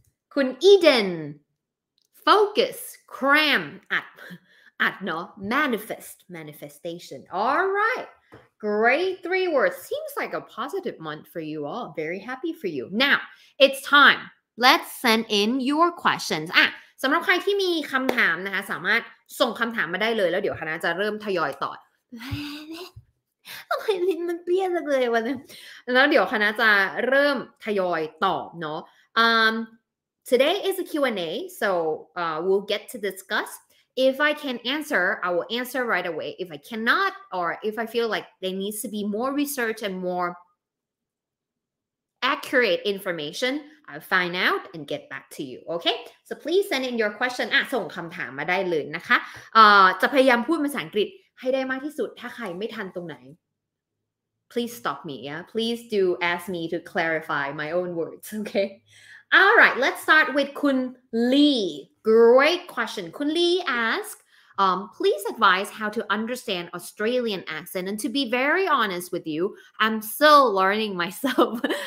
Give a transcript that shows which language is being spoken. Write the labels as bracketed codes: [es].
[en] Kun Eden, focus, cram, at no, manifestation. All right, great three words. Seems like a positive month for you all. Very happy for you. Now, it's time. Let's send in your questions. [th] สำหรับใครที่มีคำถามนะคะสามารถส่งคำถามมาได้เลยแล้วเดี๋ยวคณะจะเริ่มทยอยตอบทำไมลิ้นมันเปรี้ยจังเลยวันนี้แล้วเดี๋ยวคณะจะเริ่มทยอยตอบเนาะ [en] today is a Q&A so we'll get to discuss if I can answer I will answer right away if I cannot or if I feel like there needs to be more research and more accurate information I'll find out and get back to you okay so please send in your question [th] ส่งคำถามมาได้เลยนะคะจะพยายามพูดภาษาอังกฤษให้ได้มากที่สุดถ้าใครไม่ทันตรงไหน [en] please stop me yeah please do ask me to clarify my own words okay all right let's start with คุณลี great question คุณลี ask Please advise how to understand Australian accent. And to be very honest with you, I'm still learning myself.